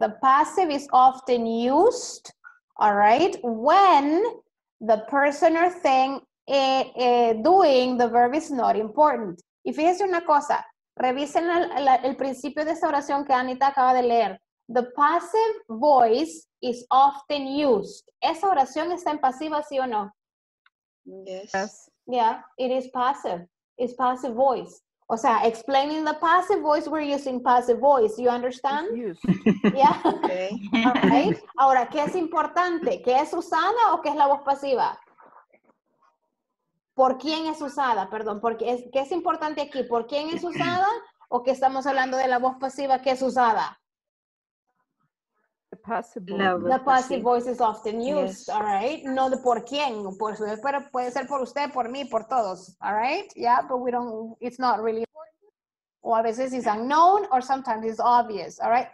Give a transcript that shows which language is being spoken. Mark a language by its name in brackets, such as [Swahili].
[English] The passive is often used, all right, when the person or thing doing the verb is not important. [Spanish] Y fíjense una cosa, revisen el principio de esa oración que Anita acaba de leer. [English] The passive voice is often used. [Spanish] ¿Esa oración está en pasiva, sí o no? [English] Yes. Yeah, it is passive. It's passive voice. [Spanish] O sea, [English] explaining the passive voice, we're using passive voice. You understand? It's used. Yeah. Okay. All right. [Spanish] Ahora, ¿qué es importante? ¿Qué es usada o qué es la voz pasiva? ¿Por quién es usada? Perdón, porque es, ¿qué es importante aquí? ¿Por quién es usada o que estamos hablando de la voz pasiva que es usada? [English] The passive voice. The passive voice is often used, yes. All right? [Spanish] No de por quién, pero puede ser por usted, por mí, por todos, [English] all right? Yeah, but we don't, it's not really important. [Spanish] O a veces [English] it's unknown or sometimes it's obvious, all right?